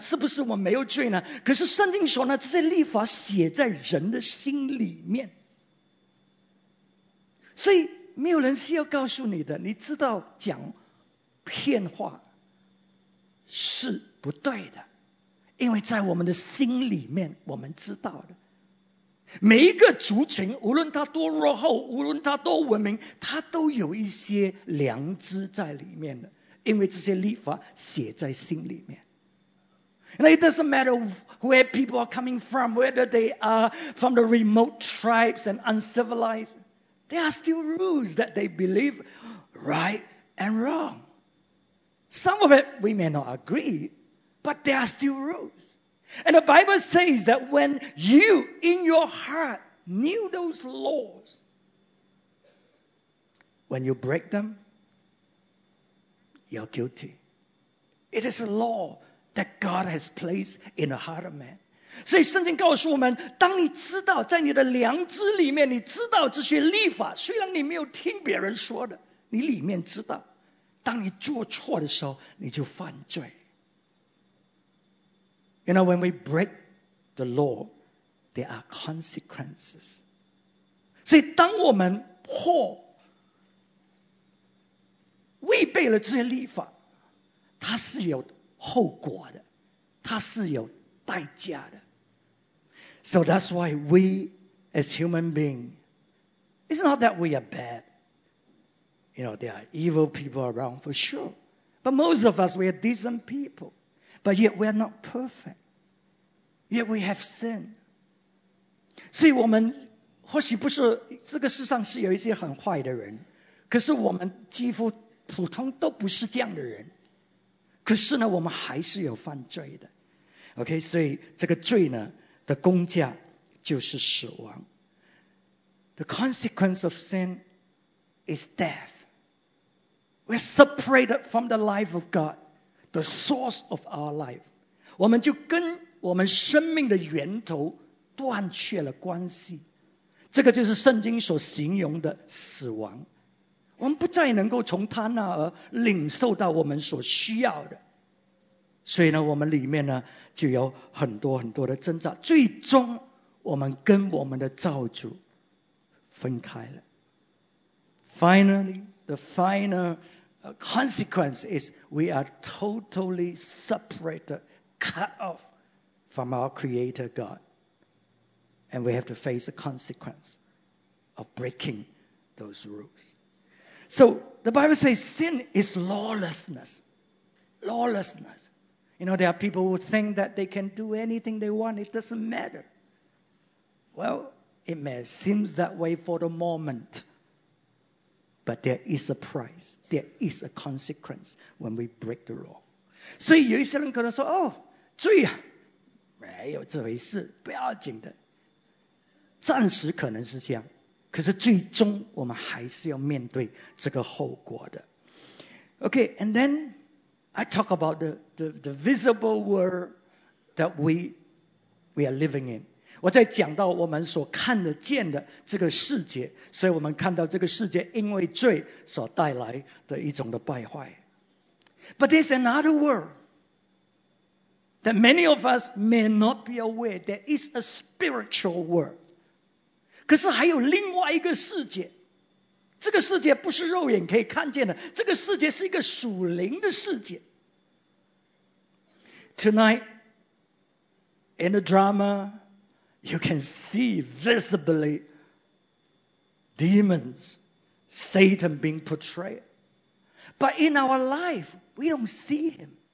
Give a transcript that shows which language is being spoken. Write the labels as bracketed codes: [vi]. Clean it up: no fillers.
[zh] 是不是我没有罪呢？可是圣经说呢，这些律法写在人的心里面，所以没有人是要告诉你的。你知道讲骗话是不对的，因为在我们的心里面我们知道的。每一个族群，无论他多落后，无论他多文明，他都有一些良知在里面的，因为这些律法写在心里面。 [en] And it doesn't matter where people are coming from, whether they are from the remote tribes and uncivilized, there are still rules that they believe right and wrong. Some of it we may not agree, but there are still rules. And the Bible says that when you in your heart knew those laws, when you break them,You're guilty. It is a law that God has placed in the heart of man. [zh] 所以圣经告诉我们，当你知道在你的良知里面，你知道这些律法，虽然你没有听别人说的，你里面知道，当你做错的时候，你就犯罪。 [en] You know, when we break the law, there are consequences. [zh] 所以当我们破违背了这些律法，它是有后果的，它是有代价的。 [en] So that's why we as human being, it's not that we are bad. You know, there are evil people around for sure. But most of us, we are decent people. But yet we are not perfect. Yet we have sin. [zh] 所以我们或许不是这个世上是有一些很坏的人，可是我们几乎普通都不是这样的人，可是呢我们还是有犯罪的。 OK, 所以这个罪呢的工价就是死亡。 [en] The consequence of sin is death. We're separated from the life of God, the source of our life. [zh] 我们就跟我们生命的源头断绝了关系，这个就是圣经所形容的死亡。我们不再能够从他那儿领受到我们所需要的，所以呢我们里面呢就有很多很多的挣扎，最终我们跟我们的造主分开了。 [en] Finally, the final consequence is we are totally separated, cut off from our Creator God, and we have to face the consequence of breaking those rules. So the Bible says sin is lawlessness. Lawlessness. You know, there are people who think that they can do anything they want. It doesn't matter. Well, it may seem that way for the moment. But there is a price. There is a consequence when we break the law. [zh] 所以有一些人可能说，哦，罪啊，没有这回事，不要紧的。暂时可能是这样。可是最终我们还是要面对这个后果的。 [en] Okay, and then I talk about the visible world that we are living in. [zh] 我在讲到我们所看得见的这个世界，所以我们看到这个世界因为罪所带来的一种的败坏。 [en] But there's another world that many of us may not be aware. There is a spiritual world. [zh] 可是还有另外一个世界。这个世界不是肉眼可以看见的，这个世界是一个属灵的世界。 [en] Tonight in the drama you can see visibly demons, Satan being portrayed, but in our life we don't see him.